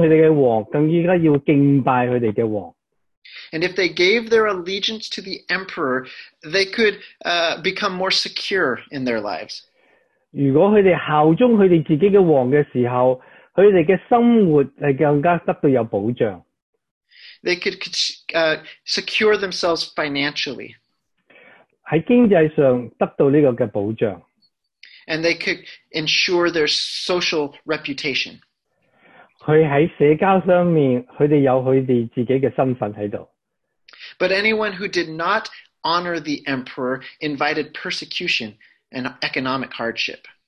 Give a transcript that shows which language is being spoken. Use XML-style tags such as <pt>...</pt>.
<zh>腓立比教会的信徒是要受到压力,要尊敬他们的王,更加要敬拜他们的王。</zh> <en>And if they gave their allegiance to the emperor, they could become more secure in their lives.</en> <zh>如果他们效忠他们自己的王的时候,他们的生活更加得到有保障。</zh> <en>They could secure themselves financially.</en> <zh>在经济上得到这个保障。</zh> <en>And they could ensure their social reputation.</en> <zh>他在社交上面,他们有他们自己的身份在这里。</zh> <en>But anyone who did not honor the emperor invited persecution and economic hardship.</en>